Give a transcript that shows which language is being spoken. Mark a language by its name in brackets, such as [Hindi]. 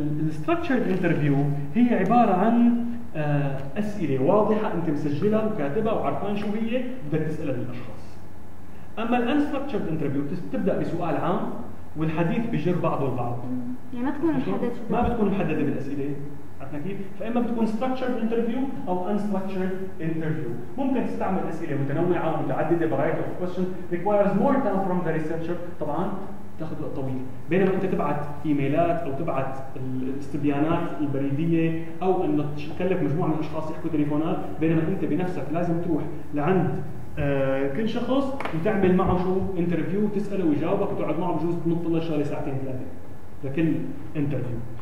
[Arabic] structured interview هي عبارة عن أسئلة واضحة أنت مسجلها وكاتبها وعرفان شو هي بدك تسألها للأشخاص. أما الـ unstructured interview تبدأ بسؤال عام والحديث بجر بعضه البعض. يعني ما تكون محددة. ما بتكون محددة بالأسئلة. عرفنا كيف؟ فإما بتكون structured interview أو unstructured interview. ممكن تستعمل أسئلة متنوعة ومتعددة [English] variety of questions requires more time from the researcher. [Arabic] طبعاً. تاخذ وقت طويل، بينما انت تبعت ايميلات او تبعت الاستبيانات البريديه او ان تكلف مجموعه من الاشخاص يحكوا تليفونات، بينما انت بنفسك لازم تروح لعند كل شخص وتعمل معه شو انترفيو وتساله ويجاوبك وتقعد معه بجوز تنط له شغله ساعتين ثلاثه لكل انترفيو.